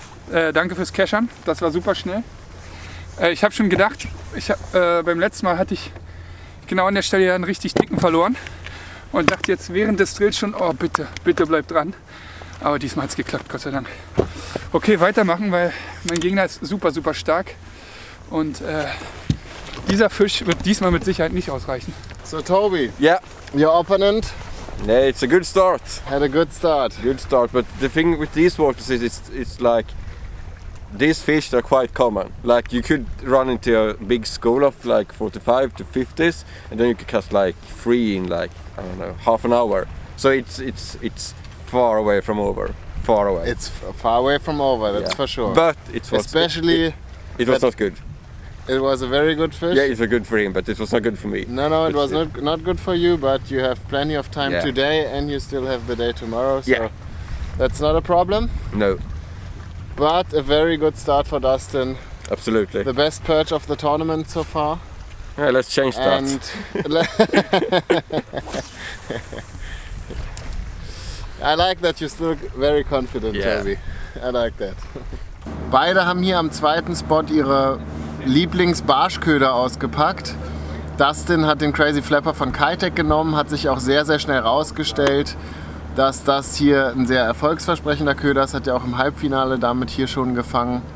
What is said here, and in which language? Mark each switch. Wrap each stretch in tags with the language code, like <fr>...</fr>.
<de>Danke fürs Keschern, das war super schnell. Ich habe schon gedacht, beim letzten Mal hatte ich genau an der Stelle einen richtig dicken verloren und dachte jetzt während des Drills schon, oh bitte, bitte bleib dran. Aber diesmal hat es geklappt, Gott sei Dank. Okay, weitermachen, weil mein Gegner ist super, super stark und dieser Fisch wird diesmal mit Sicherheit nicht ausreichen.</de> <en>So Toby, yeah. Your opponent? Yeah, it's a good start. Had a good start. Good start, but the thing with these waters is it's like these fish are quite common. Like you could run into a big school of like 45 to 50s and then you could catch like 3 in like, I don't know, half an hour. So it's far away from over. Far away. It's far away from over, that's yeah. For sure. But it was especially it was not good. It was a very good fish. Yeah, it's a good for him, but it was not good for me. No, it was not good for you, but you have plenty of time today and you still have the day tomorrow, so that's not a problem. No. But a very good start for Dustin. Absolutely. The best perch of the tournament so far. Yeah, let's change that. And I like that you're still very confident, Toby. I like that.</en> <de>Beide haben hier am zweiten Spot ihre Lieblingsbarschköder ausgepackt. Dustin hat den Crazy Flapper von Kitec genommen, hat sich auch sehr, sehr schnell rausgestellt, dass das hier ein sehr erfolgsversprechender Köder ist, hat ja auch im Halbfinale damit hier schon gefangen.</de>